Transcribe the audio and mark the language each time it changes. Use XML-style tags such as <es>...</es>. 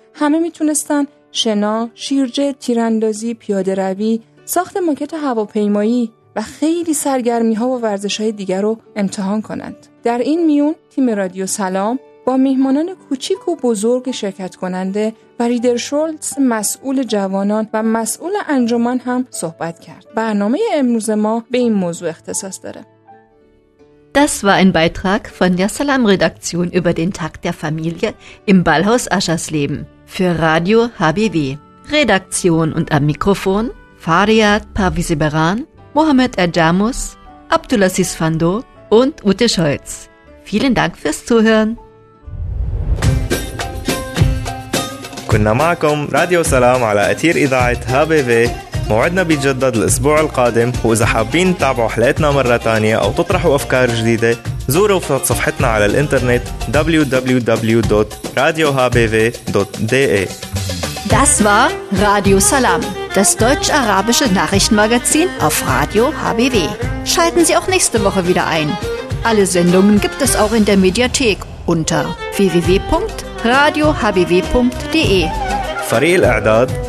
<fa>همه میتونستن شنا، شیرجه، تیراندازی، پیاده روی، ساخت ماکت هواپیمایی و خیلی سرگرمی ها و ورزش های دیگر رو امتحان کنند. در این میون تیم رادیو سلام با میهمانان کوچیک و بزرگ شرکت کننده و ریدر شولتز مسئول جوانان و مسئول انجمن هم صحبت کرد. برنامه امروز ما به این موضوع اختصاص داره.</fa> <de>Das war ein Beitrag von der Salam-Redaktion über den Tag der Familie im Ballhaus Aschersleben für Radio HBW. Redaktion und am Mikrofon Fariat Parviziberan, Mohamed Erdjamus, Abdulaziz Fando und Ute Scholz. Vielen Dank fürs Zuhören.</de> <ar>كنا معكم راديو سلام على أثير إذاعة HBV. موعدنا بيتجدد الأسبوع القادم، وإذا حابين تتابعوا حلقتنا مرة تانية أو تطرحوا أفكار جديدة، زوروا صفحتنا على الإنترنت www.radiohbw.de.</ar> <de>Das war Radio Salam, das deutsch-arabische Nachrichtenmagazin auf Radio HBW. Schalten Sie auch nächste Woche wieder ein. Alle Sendungen gibt es auch in der Mediathek unter www.radiohbw.de.</de> <ar>فريق الإعداد</ar>